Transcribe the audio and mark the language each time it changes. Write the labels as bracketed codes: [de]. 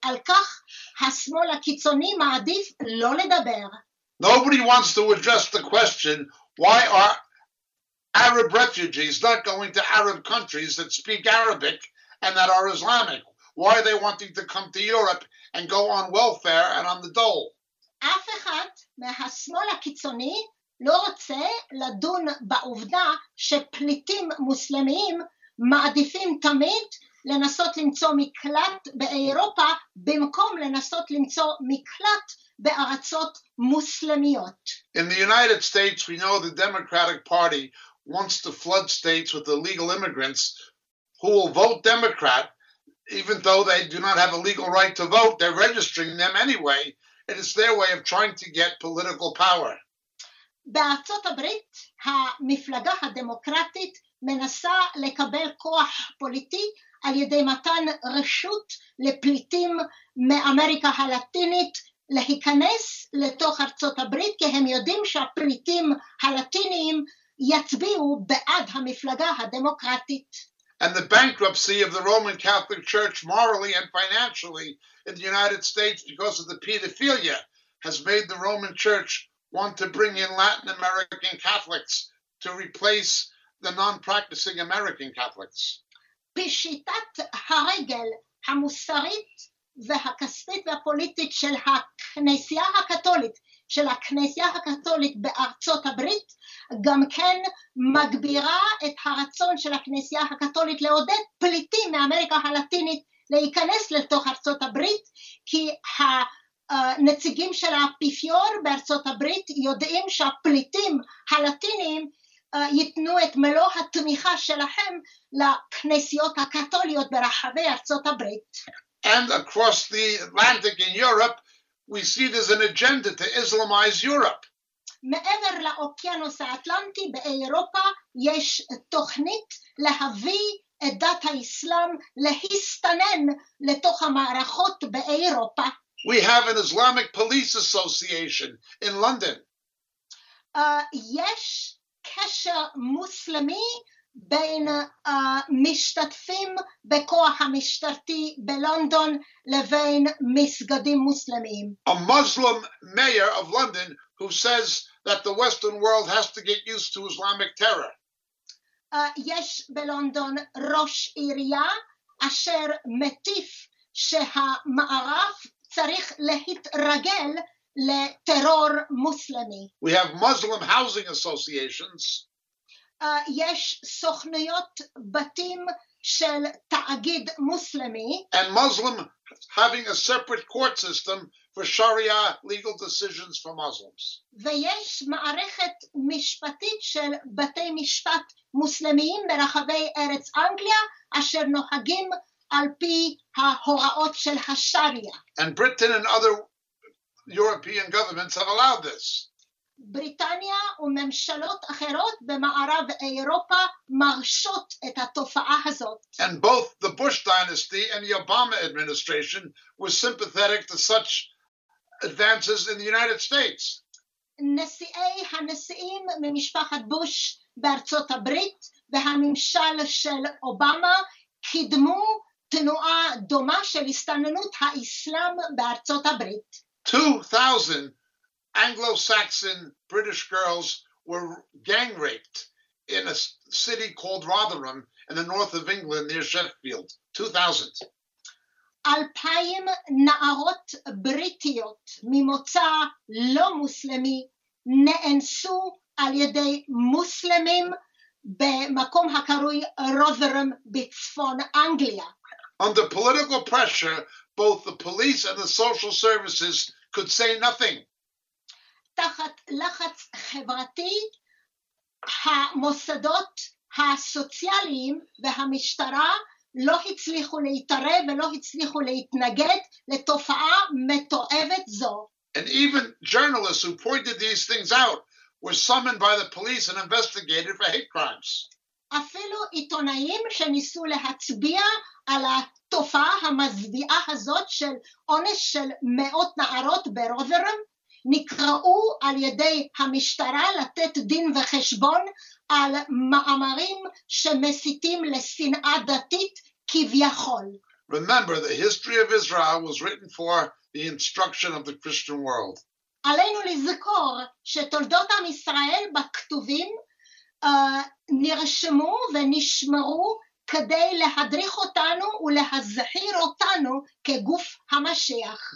[he] על כך השמאל הקיצוני מעדיף לא לדבר. [en] Nobody wants to address the question, why are Arab refugees not going to Arab countries that speak Arabic and that are Islamic? Why are they wanting to come to Europe and go on welfare and on the dole? [he] אף אחד מהשמאל הקיצוני לא רוצה לדון בעובדה שפליטים מוסלמיים מעדיפים תמיד לנסות למצוא מקלט באירופה במקום לנסות למצוא מקלט בארצות מוסלמיות. [en] In the United States, we know the Democratic Party wants to flood states with illegal immigrants who will vote Democrat, even though they do not have a legal right to vote. They're registering them anyway. It is their way of trying to get political power. [he] בארצות הברית, המפלגה הדמוקרטית מנסה לקבל כוח פוליטי על ידי מתן רשות לפליטים מאמריקה הלטינית להיכנס לתוך ארצות הברית, כי הם יודעים שהפליטים הלטיניים יצביעו בעד המפלגה הדמוקרטית. [en] And the bankruptcy of the Roman Catholic Church morally and financially in the United States because of the pedophilia has made the Roman Church want to bring in Latin American Catholics to replace the non-practicing American Catholics. [he] פשיטת הרגל המוסרית והכספית והפוליטית של הכנסייה הקתולית, בארצות הברית, גם כן מגבירה את הרצון של הכנסייה הקתולית לעודד פליטים מאמריקה הלטינית להיכנס לתוך ארצות הברית, כי הנציגים של האפיפיור בארצות הברית יודעים שהפליטים הלטינים ייתנו את מלוא התמיכה שלהם לכנסיות הקתוליות ברחבי ארצות הברית. [en] And across the Atlantic in Europe, we see there's an agenda to Islamize Europe. [he] מעבר לאוקיינוס האטלנטי באירופה יש תוכנית להביא את דת האסלאם להסתנן לתוך המערכות באירופה. [en] We have an Islamic Police Association in London. [he] יש קשר מוסלמי בין משתתפים בכוח המשטרתי בלונדון לבין מסגדים מוסלמיים. [en] A Muslim mayor of London who says that the Western world has to get used to Islamic terror. [he] יש בלונדון ראש עירייה אשר מטיף שהמערב צריך להתרגל לטרור מוסלמי. [en] We have Muslim housing associations. [he] יש סוכנויות בתים של תאגיד מוסלמי. [en] And Muslim having a separate court system for Sharia legal decisions for Muslims. [he] ויש מערכת משפטית של בתי משפט מוסלמיים ברחבי ארץ אנגליה אשר נוהגים על פי ההוראות של השריעה. [en] And Britain and other European governments have allowed this. [he] בריטניה וממשלות אחרות במערב אירופה מרשות את התופעה הזאת. [en] And both the Bush dynasty and the Obama administration were sympathetic to such advances in the United States. [he] נשיאי הנשיאים ממשפחת בוש בארצות הברית והממשל של אובמה קידמו תנועה דומה של הסתננות האסלאם בארצות הברית. [en] 2,000 Anglo-Saxon British girls were gang-raped in a city called Rotherham in the north of England near Sheffield. 2,000. [he] 2,000 נערות בריטיות ממוצא לא מוסלמי נאנסו על ידי מוסלמים במקום הקרוי Rotherham בצפון אנגליה. [en] Under political pressure, both the police and the social services could say nothing. [he] תחת לחץ חברתי, המוסדות הסוציאליים והמשטרה לא הצליחו להתערב ולא הצליחו להתנגד לתופעה מתועבת זו. [en] And even journalists who pointed these things out were summoned by the police and investigated for hate crimes. [he] אפילו עיתונאים שניסו להצביע על התופעה המזוויעה הזאת של עונש של מאות נערות ברוברם, נקראו על ידי המשטרה לתת דין וחשבון על מאמרים שמסיתים לשנאה דתית כביכול. [en] Remember, the history of Israel was written for the instruction of the Christian world. [he] עלינו לזכור שתולדות עם ישראל בכתובים נרשמו ונשמרו כדי להדריך אותנו ולהזהיר אותנו כגוף המשיח.